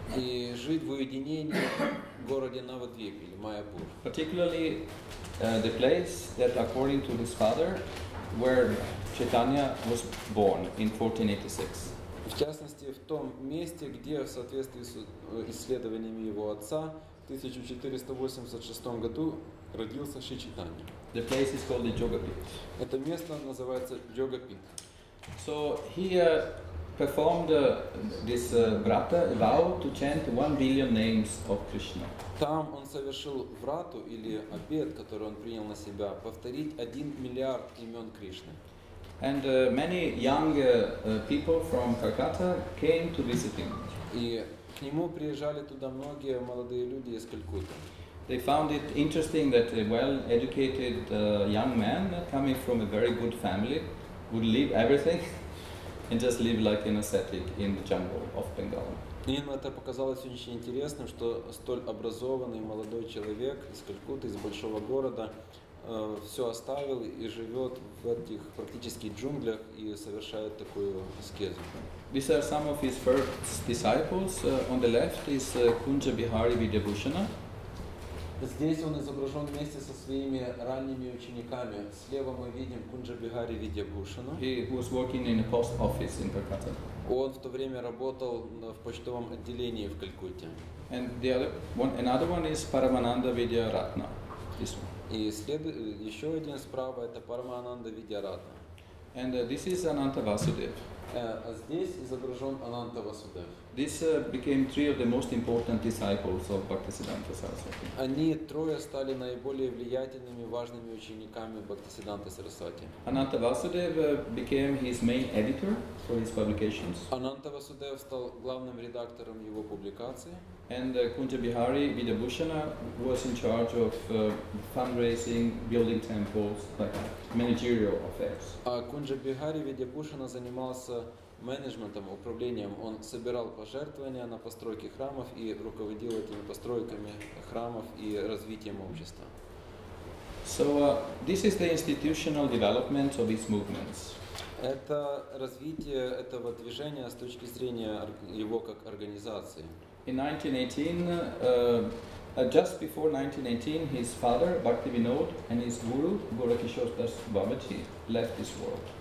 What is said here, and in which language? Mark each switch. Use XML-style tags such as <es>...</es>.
<ru>И жить в уединении в городе Навадвип или Майяпур.</ru> <en>Particularly the place that, according to his father, where Chaitanya was born in 1486.</en> <ru>В частности, в том месте, где, в соответствии с исследованиями его отца, в 1486 году родился Шри Чайтанья.</ru> <en>The place is called the Йогапит.</en> <ru>Это место называется Йогапит.</ru> <en>So he performed this врата, vow to chant 1 billion names of Krishna.</en> <ru>Там он совершил врату или обет, который он принял на себя, повторить 1 миллиард имен Кришны.</ru> <en>And many young people from Calcutta came to visit him.</en> <ru>И к нему приезжали туда многие молодые люди из Калькутты.</ru> <en>They found it interesting that a well-educated young man coming from a very good family would leave everything and just live like an ascetic in the jungle of Bengal.</en> <ru>Им это показалось очень интересным, что столь образованный молодой человек из Калькутты, из большого города, все оставил и живет в этих практически джунглях и совершает такую аскезу.</ru> <en>These are some of his first disciples. On the left is Kunja Bihari Vidyabhushana.</en> <ru>Здесь он изображен вместе со своими ранними учениками. Слева мы видим Кунджа Бихари Видьябхушана.</ru> <en>He was working in a post office in Calcutta.</en> <ru>Он в то время работал в почтовом отделении в Калькутте.</ru> <en>And the other one, another one is Paramananda Vidyaratna. This one.</en> <ru>И еще один справа – это Парамананда Видьяратна.</ru> <en>And this is Ananta Vasudev.</en> <ru>А здесь изображен Ананта Васудев.</ru> <en>This became three of the most important disciples of Bhaktisiddhanta Saraswati.</en> <ru>Они трое стали наиболее влиятельными, важными учениками Бхактисиддханты Сарасвати.</ru> <en>Ананта Васудев became his main editor for his publications.</en> <ru>Ананта Васудев стал главным редактором его публикаций.</ru> <en>And Kunja Bihari Vidyabhushana was in charge of fundraising, building temples, like managerial affairs.</en> <ru>А Кунджа Бихари Видьябхушана занимался менеджментом, управлением. Он собирал пожертвования на постройки храмов и руководил этими постройками храмов и развитием общества.</ru> <en>So this is the institutional development of its movements.</en> <ru>Это развитие этого движения с точки зрения его как организации.</ru> <en>In 1918, just before 1918, his father Bhakti Vinod and his guru Gorakishore Das Babaji left this world.</en>